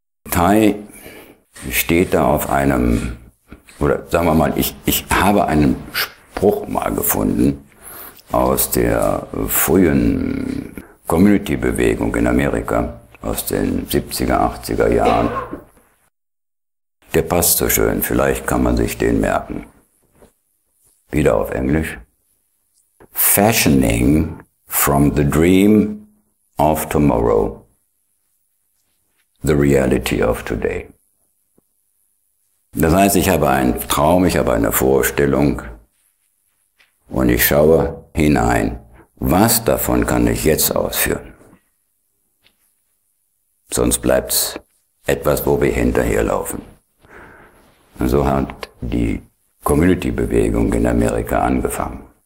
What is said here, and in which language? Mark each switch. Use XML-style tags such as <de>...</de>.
<de>Thai steht da auf einem, oder sagen wir mal, ich habe einen Spruch mal gefunden aus der frühen Community-Bewegung in Amerika, aus den 70er, 80er Jahren. Der passt so schön, vielleicht kann man sich den merken. Wieder auf Englisch.</de> <en>Fashioning from the dream of tomorrow, the reality of today.</en> <de>Das heißt, ich habe einen Traum, ich habe eine Vorstellung und ich schaue hinein. Was davon kann ich jetzt ausführen? Sonst bleibt's etwas, wo wir hinterherlaufen. Und so hat die Community-Bewegung in Amerika angefangen.</de>